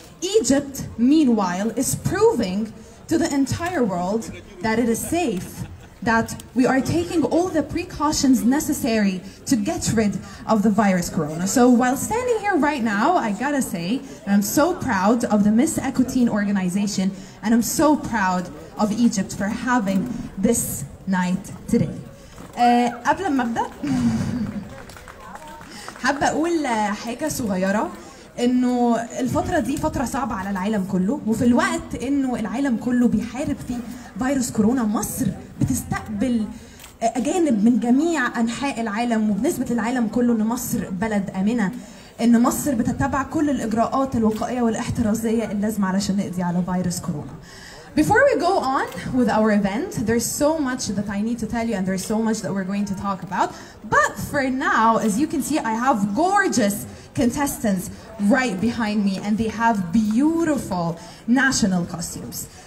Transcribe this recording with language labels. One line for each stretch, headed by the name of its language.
English: Egypt, meanwhile, is proving to the entire world that it is safe, that we are taking all the precautions necessary to get rid of the virus corona. So while standing here right now, I gotta say, I'm so proud of the Miss Akuei organization, and I'm so proud of Egypt for having this night today.
Arabic: قبل ما ابدا حابة أقول حاجة صغيرة إنه الفترة دي فترة صعبة على العالم كله وفي الوقت إنه العالم كله بيحارب فيه فيروس كورونا مصر بتستقبل أجانب من جميع أنحاء العالم وبنسبة العالم كله إن مصر بلد آمنة إن مصر بتتبع كل الإجراءات الوقائية والاحترازية اللازمة علشان نقضي على فيروس كورونا.
English: Before we go on with our event, there's so much that I need to tell you and there's so much that we're going to talk about. But for now, as you can see, I have gorgeous contestants right behind me and they have beautiful national costumes.